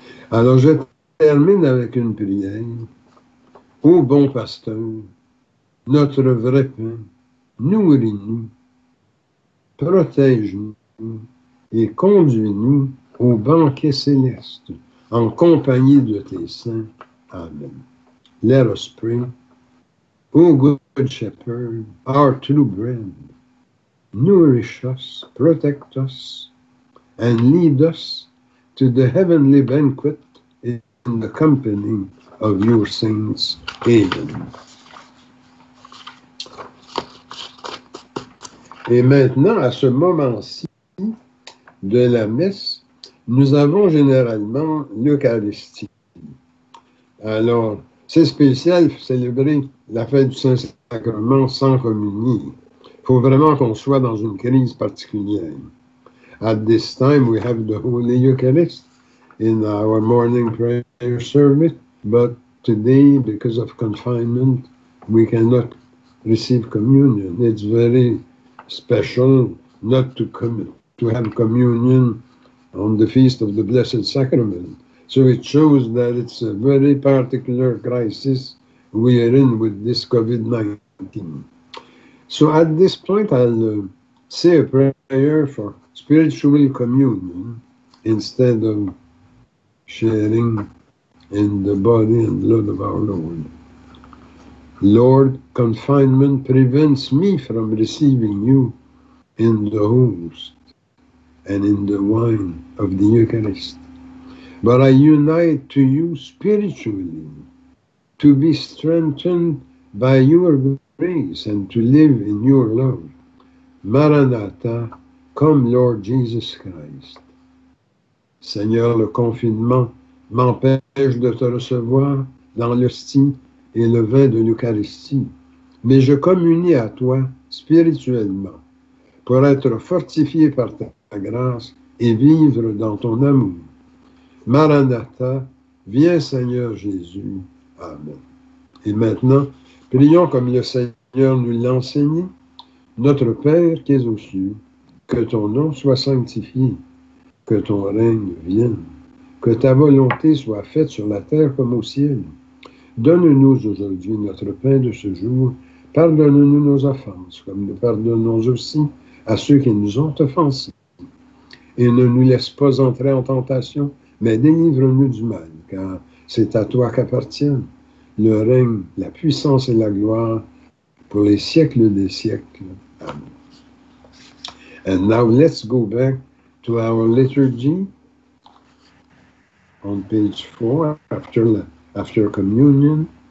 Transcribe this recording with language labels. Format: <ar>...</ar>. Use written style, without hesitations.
<fr>Alors, je termine avec une prière. Ô bon pasteur, notre vrai pain, nourris-nous, protège-nous, et conduis-nous au banquet céleste en compagnie de tes saints.</fr> <en>Amen. Let us pray. O good shepherd, our true bread, nourish us, protect us, and lead us to the heavenly banquet in the company of your saints. Amen.</en> <fr>Et maintenant, à ce moment-ci de la messe, nous avons généralement l'Eucharistie. Alors, c'est spécial de célébrer la fête du Saint-Sacrement sans communier. Il faut vraiment qu'on soit dans une crise particulière.</fr> <en>At this time, we have the Holy Eucharist in our morning prayer service, but today, because of confinement, we cannot receive communion. It's very special not to commit. To have communion on the Feast of the Blessed Sacrament. So it shows that it's a very particular crisis we are in with this COVID-19. So at this point, I'll say a prayer for spiritual communion instead of sharing in the body and blood of our Lord. Lord, confinement prevents me from receiving you in the host and in the wine of the Eucharist. But I unite to you spiritually to be strengthened by your grace and to live in your love. Maranatha, come Lord Jesus Christ.</en> <fr>Seigneur, le confinement m'empêche de te recevoir dans l'hostie et le vin de l'Eucharistie, mais je communie à toi spirituellement pour être fortifié par ta grâce et vivre dans ton amour. Maranatha, viens Seigneur Jésus. Amen. Et maintenant, prions comme le Seigneur nous l'a enseigné. Notre Père qui es aux cieux, que ton nom soit sanctifié, que ton règne vienne, que ta volonté soit faite sur la terre comme au ciel. Donne-nous aujourd'hui notre pain de ce jour. Pardonne-nous nos offenses, comme nous pardonnons aussi à ceux qui nous ont offensés. Et ne nous laisse pas entrer en tentation, mais délivre-nous du mal, car c'est à toi qu'appartiennent le règne, la puissance et la gloire pour les siècles des siècles. Amen.</fr> <en>And now let's go back to our liturgy on page 4, after communion.</en>